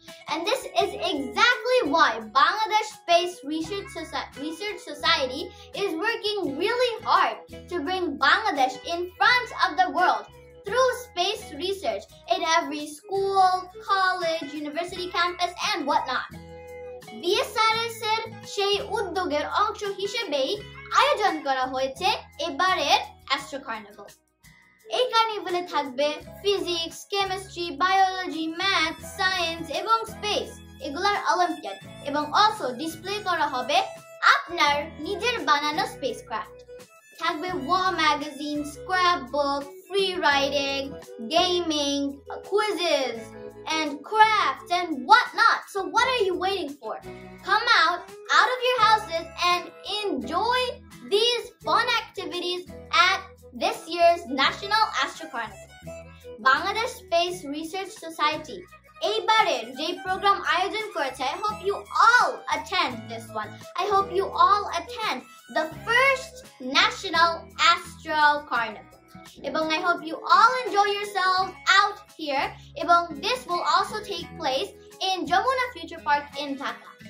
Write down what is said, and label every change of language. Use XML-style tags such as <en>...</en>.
<en>And this is exactly why Bangladesh Space Research Society is working really hard to bring Bangladesh in front of the world through space research in every school, college, university campus, and whatnot.</en> <bn>BSRS-এর সেই উদ্যোগের অংশ হিসেবেই আয়োজন করা হয়েছে এবারের Astro Carnival. এই কার্নিভালে থাকবে physics chemistry biology math science এবং স্পেস এগুলার অলিম্পিয়াড এবং অলসো ডিসপ্লে করা হবে আপনার নিজের বানানো স্পেস ক্রাফট</bn> <en>থাকবে ওয়া magazine scrapbook free riding gaming quizzes and craft and what not so what are you waiting for come out of your houses and enjoy this fun activities at This year's National Astro Carnival. Bangladesh Space Research Society.</en> <bn>এইবারের যে programme আয়োজন করেছে,</bn> <en>I hope you all attend this one. I hope you all attend the first National Astro Carnival. এবং I hope you all enjoy yourselves out here. এবং this will also take place in Jamuna Future Park in Dhaka.</en>